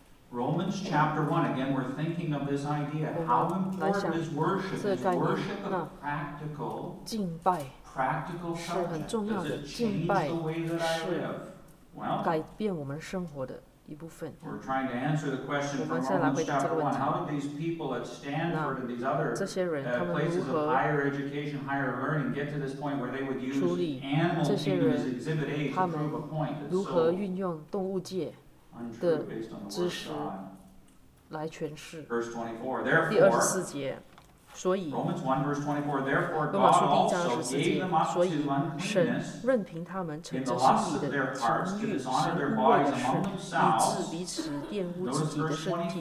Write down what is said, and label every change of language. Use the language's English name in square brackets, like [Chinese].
[English] Romans chapter 1, again, we're thinking of this idea. How important is worship? Is worship a practical, [Chinese] 敬拜 [English] practical subject? [Chinese] 是很重要的。 [English] Does it change the way that I live? [Chinese] 是改变我们生活的一部分。 [English] We're trying to answer the question from Romans chapter 1. How did these people at Stanford and these other [Chinese] 这些人他们如何 [English] places of higher education, higher learning get to this point where they would use animal kingdom as exhibit A to prove a point? [Chinese] 如何运用动物界的知识来诠释。第二十四节，所以罗马书第一章十四节，所以神任凭他们乘着心里的情欲，使污秽的事，以致彼此玷污自己的身体。